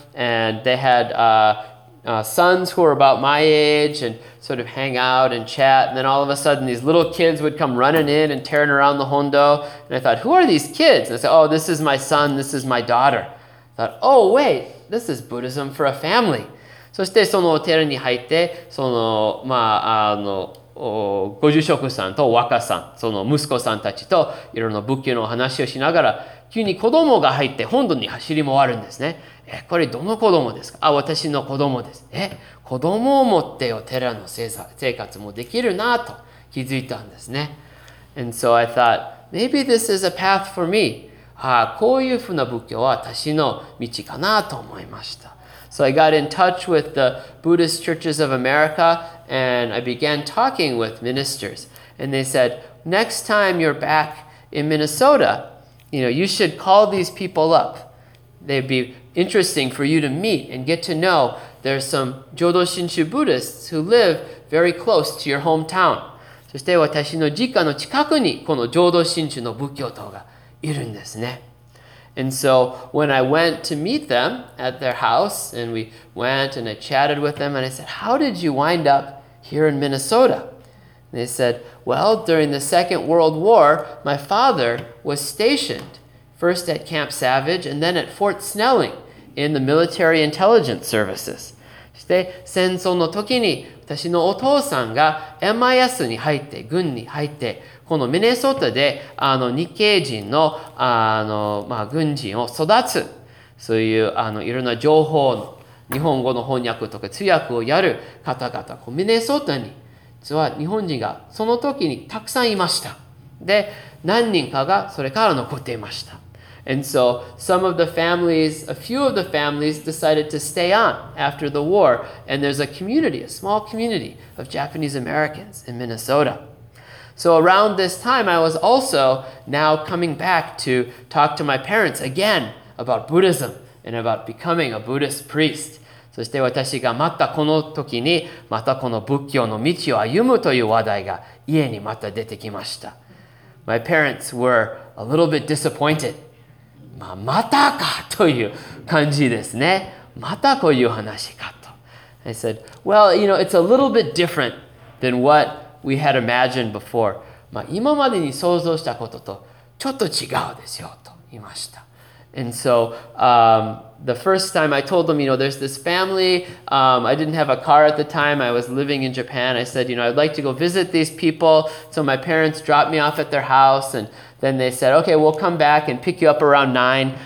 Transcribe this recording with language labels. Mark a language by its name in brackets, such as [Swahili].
[English] And they had sons who were about my age and sort of hang out and chat. And then all of a sudden these little kids would come running in and tearing around the hondo. And I thought, who are these kids? And I said, oh, this is my son. This is my daughter. I thought, oh, wait, this is Buddhism for a family. [Japanese] そしてそのお寺に入って、その、まあ、ご住職さんと若さん、その息子さんたちといろんな仏教のお話をしながら、急に子供が入って本堂に走り回るんですね。え、これどの子供ですか？あ、私の子供です。え、子供を持ってお寺の生活もできるなと気づいたんですね。 [English] And so I thought, maybe this is a path for me. [Japanese] ああ、こういうふうな仏教は私の道かなと思いました。 [English] So I got in touch with the Buddhist Churches of America and I began talking with ministers. And they said, next time you're back in Minnesota, you know, you should call these people up. They'd be interesting for you to meet and get to know. There's some Jodo Shinshu Buddhists who live very close to your hometown. [Japanese] そして私の実家の近くにこの Jodo Shinshu の仏教徒がいるんですね。 [English] And so when I went to meet them at their house and we went and I chatted with them and I said, how did you wind up here in Minnesota? And they said, well, during the Second World War, my father was stationed first at Camp Savage and then at Fort Snelling in the military intelligence services. [Japanese] そして戦争の時に私のお父さんが MIS に入って、軍に入って、このミネソタで日系人 の, まあ軍人を育つ、そういういろんな情報の日本語の翻訳とか通訳をやる方々、こうミネソタに実は日本人がその時にたくさんいました。で、何人かがそれから残っていました。 [English] And so some of the families, a few of the families decided to stay on after the war. And there's a community, a small community of Japanese Americans in Minnesota. So around this time, I was also now coming back to talk to my parents again about Buddhism and about becoming a Buddhist priest. [Japanese] そして私がまたこの時にまたこの仏教の道を歩むという話題が家にまた出てきました。 [English] My parents were a little bit disappointed. [Japanese] まあ、またかという感じですね。またこういう話かと。 [English] I said, well, you know, it's a little bit different than whatWe had imagined before. [Japanese] まあ今までに想像したこととちょっと違うですよと言いました。 [English] And so, the first time I told them, you know, there's this family. I didn't have a car at the time. I was living in Japan. I said, you know, I'd like to go visit these people. So my parents dropped me off at their house. And then they said, okay, we'll come back and pick you up around 9.